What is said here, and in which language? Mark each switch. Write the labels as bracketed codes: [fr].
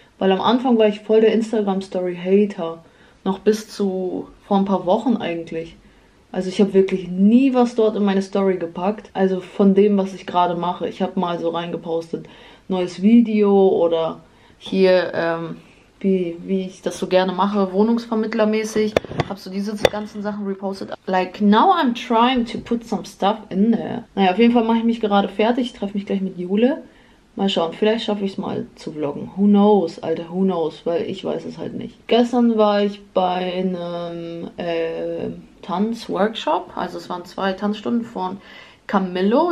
[de] Weil am Anfang war ich voll der Instagram-Story-Hater. Noch bis zu vor ein paar Wochen eigentlich. Also ich habe wirklich nie was dort in meine Story gepackt. Also von dem, was ich gerade mache. Ich habe mal so reingepostet, neues Video oder hier, wie ich das so gerne mache, Wohnungsvermittlermäßig. Habe so diese ganzen Sachen repostet. [en] Like, now I'm trying to put some stuff in there. [de] Naja, auf jeden Fall mache ich mich gerade fertig. Ich treffe mich gleich mit Jule. Mal schauen, vielleicht schaffe ich es mal zu vloggen. [en] Who knows, [de] Alter, [en] who knows, [de] weil ich weiß es halt nicht. Gestern war ich bei einem Tanzworkshop. Also es waren zwei Tanzstunden von Camillo.